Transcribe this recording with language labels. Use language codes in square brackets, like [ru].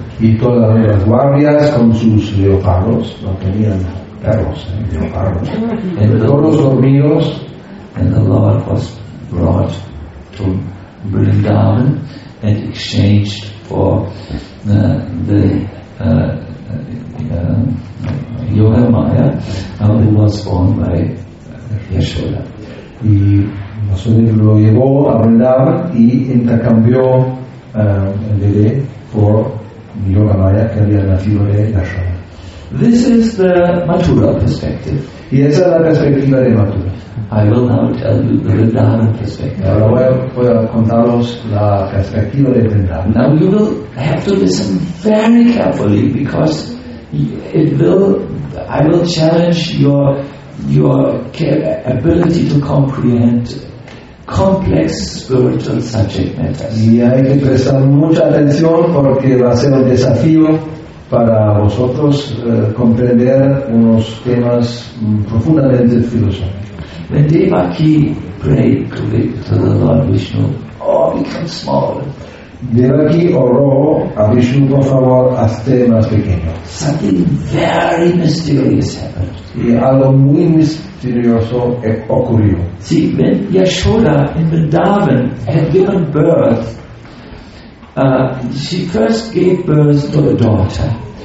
[es] Y todas las guardias con sus leopardos, no tenían perros, leopardos. [en] And [es] todos dormidos. [en] And the Lord was brought to Vrindavan and exchanged for Yohamaya, who was born by Yashoda. [es] Y Vasudev lo llevó a Vrindavan y intercambió el bebé por Yogamaya, que había nacido de Yashoda. [en] This is the Mathura perspective. [es] Y esa es la perspectiva de Mathura. [en] I will now tell you the Vrindavan perspective. [es] Ahora voy a contaros la perspectiva de Vrindavan. [en] Now you will have to listen very carefully because I will challenge your ability to comprehend complex spiritual subject matters. [es] Y hay que prestar mucha atención porque va a ser un desafío para vosotros comprender unos temas profundamente filosóficos. [en] When Devaki prayed to the Lord Vishnu, oh, become small. [es] Devaki oró a Vishnu, por favor, hazte más pequeño. [en] Something very mysterious happened. [es] Y algo muy misterioso ocurrió. [en] See, when Yashoda in Vrindavan had given birth, she first gave birth to a daughter.